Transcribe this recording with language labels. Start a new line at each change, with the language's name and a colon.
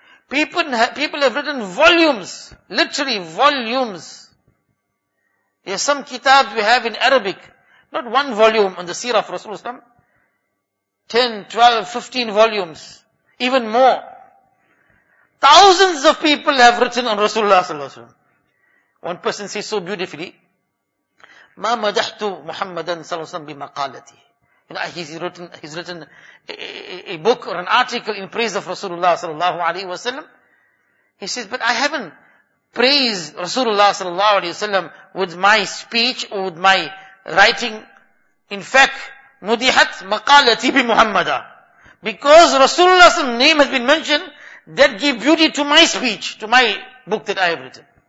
English: People have written volumes, literally volumes. There are some kitabs we have in Arabic. Not one volume on the seerah of Rasulullah. 10, 12, 15 volumes. Even more. Thousands of people have written on Rasulullah.
Arabic: One person says so beautifully, مَا مَدَحْتُ مُحَمَّدًا صَلَّى اللَّهُ عَلَيْهِ وَسَلَّمَ بِمَقَالَتِهِ.
English: You know, he's written a book or an article in praise of Rasulullah sallallahu alaihi wasallam. He says, but I haven't praised Rasulullah sallallahu alaihi wasallam with my speech or with my writing. In fact, mudihat maqalati bi Muhammada, because Rasulullah's name has been mentioned, that gave beauty to my speech, to my book that I have written.